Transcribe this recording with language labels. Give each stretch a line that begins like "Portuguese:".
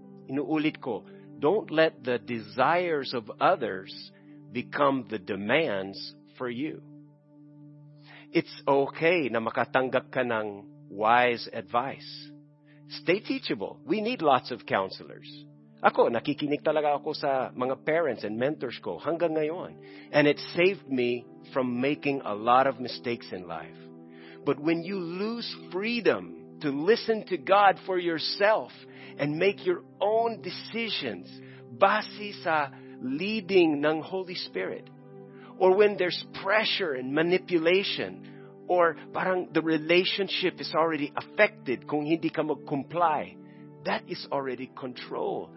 Filipino: Inuulit ko,
English: don't let the desires of others become the demands for you. It's okay
Filipino: na makatanggap ka ng
English: wise advice. Stay teachable. We need lots of counselors.
Filipino: Ako, nakikinig talaga ako sa mga
English: parents and mentors
Filipino: ko hanggang ngayon.
English: And it saved me from making a lot of mistakes in life. But when you lose freedom to listen to God for yourself and make your own decisions
Filipino: base sa
English: leading ng Holy Spirit, or when there's pressure and manipulation, or
Filipino: parang
English: the relationship is already affected
Filipino: kung hindi ka mag-comply,
English: that is already control.